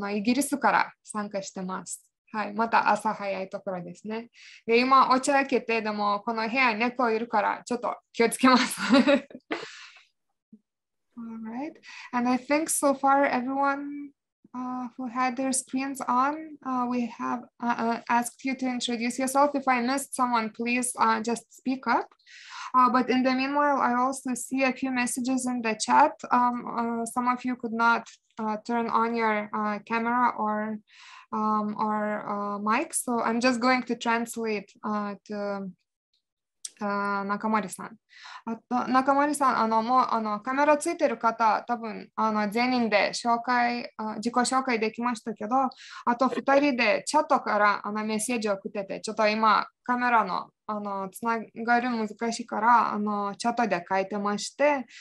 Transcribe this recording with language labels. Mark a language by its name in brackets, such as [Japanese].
[Japanese] イギリスから参加してます。はい、また朝早いところですね。で、今お茶開けて、でもこの部屋に猫いるからちょっと気をつけます。 [English] All right. And I think so far everyone who had their screens on, we have asked you to introduce yourself. If I missed someone, please just speak up. But in the meanwhile, I also see a few messages in the chat. Some of you could not turn on your camera or mic. So I'm just going to translate to Nakamori-san. [Japanese] Nakamori-san, カメラついてる方、多分全員で自己紹介できましたけど、あと2人でチャットからメッセージを送ってて、ちょっと今カメラのつながる難しいからチャットで書いてまして、